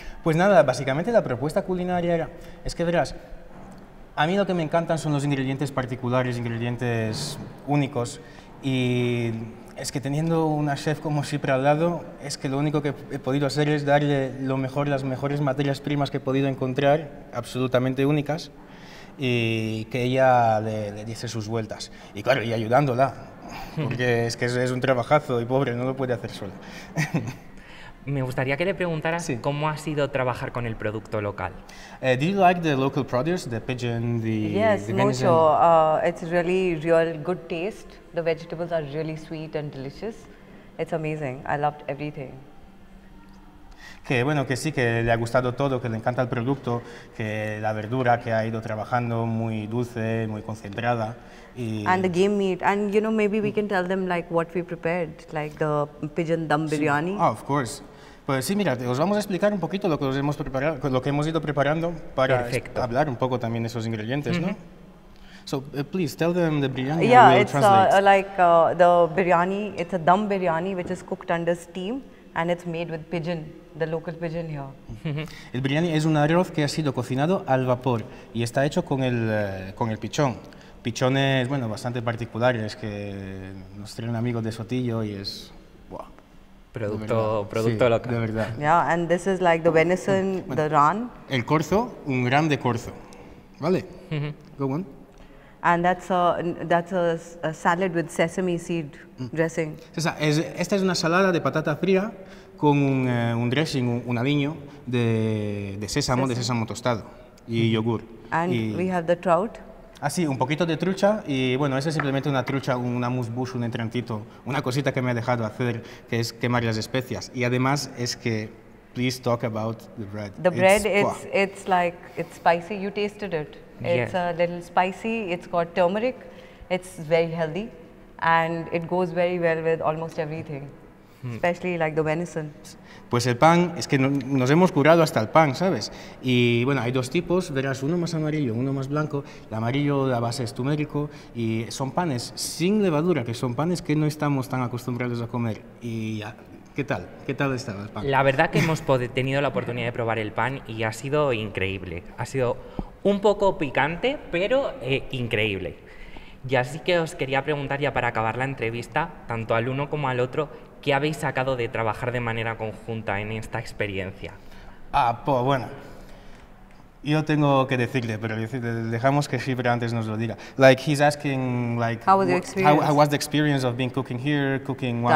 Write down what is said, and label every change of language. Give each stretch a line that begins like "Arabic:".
Spanish: Pues nada, básicamente la propuesta culinaria era, es que verás, a mí lo que me encantan son los ingredientes particulares, ingredientes únicos, y es que teniendo una chef como Shipra al lado, es que lo único que he podido hacer es darle lo mejor, las mejores materias primas que he podido encontrar, absolutamente únicas, y que ella le diese sus vueltas. Y claro, y ayudándola. Porque es que es un trabajazo y pobre, no lo puede hacer solo. Me gustaría que le preguntara sí. cómo ha sido trabajar con el producto local.
English: Do you like the local produce, the pigeon, the yes, the
Spanish: mucho.
English: It's really real good taste. The vegetables are really sweet and delicious. It's amazing. I loved everything.
Spanish: Que bueno, que sí, que le ha gustado todo, que le encanta el producto, que la verdura que ha ido trabajando muy dulce, muy concentrada. Y
English: and the game meat, and you know, maybe we can tell them like what we prepared, like the pigeon dum biryani. Sí. Oh, of course.
Spanish: Pues sí, mira, os vamos a explicar un poquito lo que os hemos preparado, lo que hemos ido preparando para hablar un poco también de esos ingredientes, ¿no?
English: So, please, tell them the biryani. Yeah, we'll it's like the biryani, it's a dum biryani which is cooked under steam and it's made with pigeon. The local pigeon here.
Spanish: El biryani es un arroz que ha sido cocinado al vapor y está hecho con el pichón. Pichones, bueno, bastante particulares que nos trae un amigo de Sotillo y es wow. Producto sí, local. De verdad.
English: Yeah, and this is like the venison, bueno, the ran.
Spanish: El corzo, un gran de corzo. ¿Vale?
English: Go on. And that's a salad with sesame seed dressing.
Spanish: Esta es una ensalada de patata fría con un dressing, un aliño de sésamo tostado y yogur.
English: And we have the trout.
Spanish: Ah, sí, un poquito de trucha y bueno, esa es simplemente una trucha, una mousse bouche, un entrantito, una cosita que me ha dejado hacer, que es quemar las especias. Y además es que,
English: please talk about the bread. The bread, it's spicy, you tasted it. It's a little spicy, it's got turmeric, it's very healthy and it goes very well with almost everything. Especially like the venison.
Spanish: Pues el pan, es que nos hemos curado hasta el pan, ¿sabes? Y bueno, hay dos tipos, verás, uno más amarillo, uno más blanco. El amarillo, la base es turmérico y son panes sin levadura, que son panes que no estamos tan acostumbrados a comer. Y ya. ¿Qué tal? ¿Qué tal está el pan? La verdad que hemos tenido la oportunidad de probar el pan y ha sido increíble. Ha sido un poco picante, pero increíble. Y así que os quería preguntar ya para acabar la entrevista, tanto al uno como al otro, ¿qué habéis sacado de trabajar de manera conjunta en esta experiencia? Ah, pues bueno, yo tengo que decirle, pero dejamos que Gibre antes nos lo diga.
English: Like, he's asking, like, how was the experience of being cooking here, cooking one